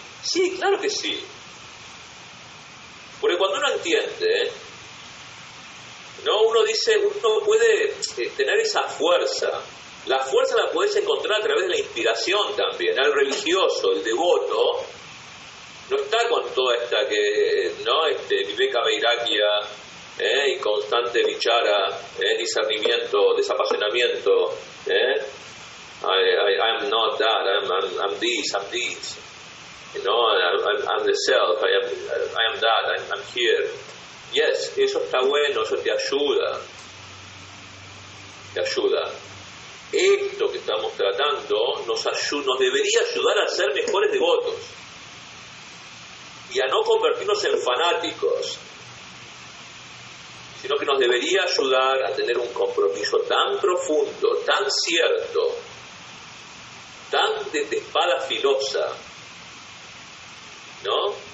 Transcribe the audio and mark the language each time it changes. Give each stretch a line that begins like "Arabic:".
Spanish: Sí, claro que sí. Porque cuando uno entiende, ¿no? Uno dice, uno puede tener esa fuerza. La fuerza la puedes encontrar a través de la inspiración también. El religioso, el devoto, no está con toda esta que, ¿no?
English: Viveka Vairagya,
Spanish: y constante vichara, discernimiento, desapasionamiento,
English: I am not that, I'm this, you know, I'm the self, I am that, I'm here.
Spanish: Yes, eso está bueno, eso te ayuda. Esto que estamos tratando nos debería ayudar a ser mejores devotos. y a no convertirnos en fanáticos, sino que nos debería ayudar a tener un compromiso tan profundo, tan cierto, tan de espada filosa, ¿no?